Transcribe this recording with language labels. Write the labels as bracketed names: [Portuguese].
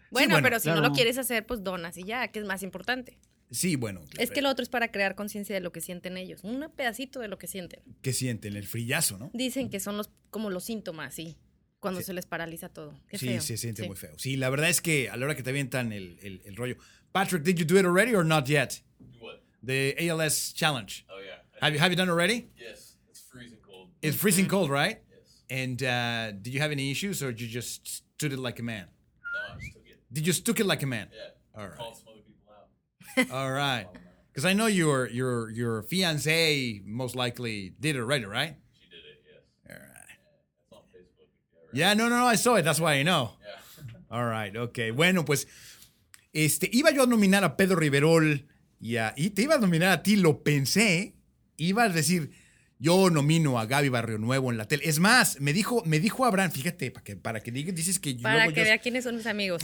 [Spanish] Bueno, pero si claro. No lo quieres hacer, pues donas y ya, que es más importante. Sí, bueno. Claro. Es que lo otro es para crear conciencia de lo que sienten ellos. Un pedacito de lo que sienten. ¿Qué sienten? El frillazo, ¿no? Dicen que son los síntomas, sí. Cuando sí. Se les paraliza todo. Qué sí, feo. Se siente sí. Muy feo. Sí, la verdad es que a la hora que te avientan el rollo. [English] Patrick, did you do it already or not yet? What? The ALS challenge. Oh, yeah. Have you done it already? Yes. It's freezing cold. It's freezing cold, right? Yes. And did you have any issues or did you just stood it like a man? No, I just took it. Did you stook it like a man? Yeah. All right. Call some other people out. All right. Because I know your fiance most likely did it already, right? Yeah, no, I saw it, that's why I know. Yeah. All right, okay. [Spanish] Bueno, pues, iba yo a nominar a Pedro Riverol y te iba a nominar a ti, lo pensé. Iba a decir, yo nomino a Gaby Barrio Nuevo en la tele. Es más, me dijo Abraham, fíjate, para que digas, dices que para yo... Para que vea quiénes son mis amigos.